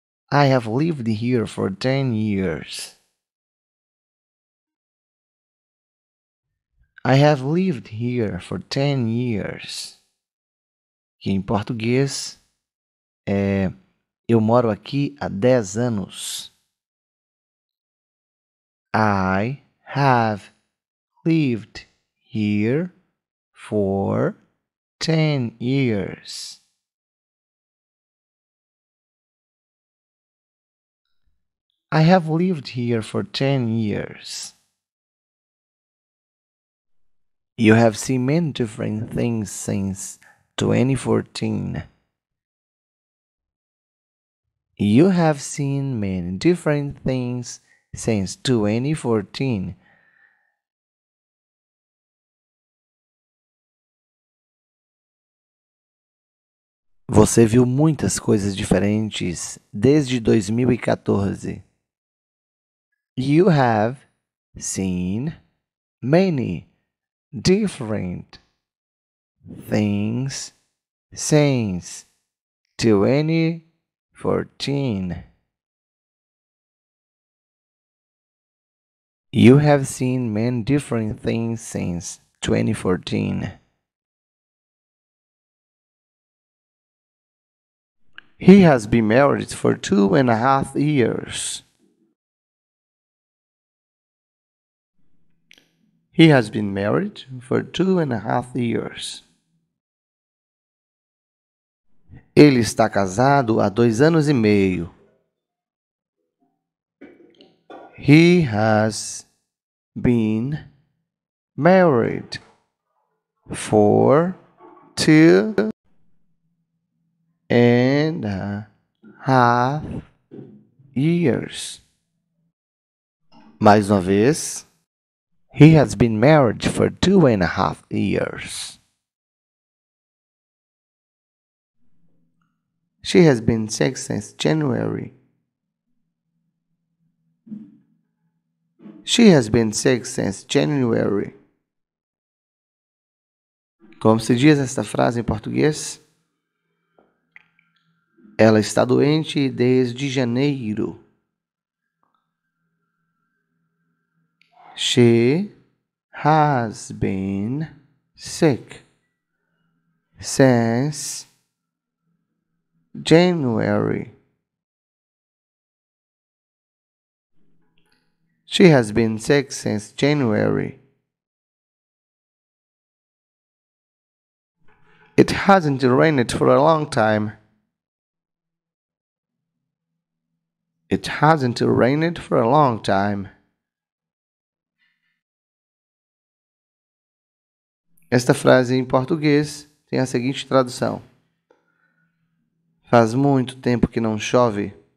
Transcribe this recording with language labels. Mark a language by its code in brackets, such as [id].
[en] I have lived here for 10 years. I have lived here for 10 years. [pt] Que em português é eu moro aqui há 10 anos. [en] I have lived here for 10 years. I have lived here for 10 years. You have seen many different things since 2014. You have seen many different things since 2014. [pt] Você viu muitas coisas diferentes desde 2014. [en] You have seen many different things since 2014. You have seen many different things since 2014. He has been married for 2.5 years. He has been married for 2.5 years. [pt] Ele está casado há 2 anos e meio. [en] He has been married for 2.5 years. [pt] Mais uma vez. [en] He has been married for 2.5 years. She has been sick since January. She has been sick since January. [pt] Como se diz esta frase em português? Ela está doente desde janeiro. [en] She has been sick since January. She has been sick since January. It hasn't rained for a long time. It hasn't rained for a long time. [pt] Esta frase em português tem a seguinte tradução. Faz muito tempo que não chove.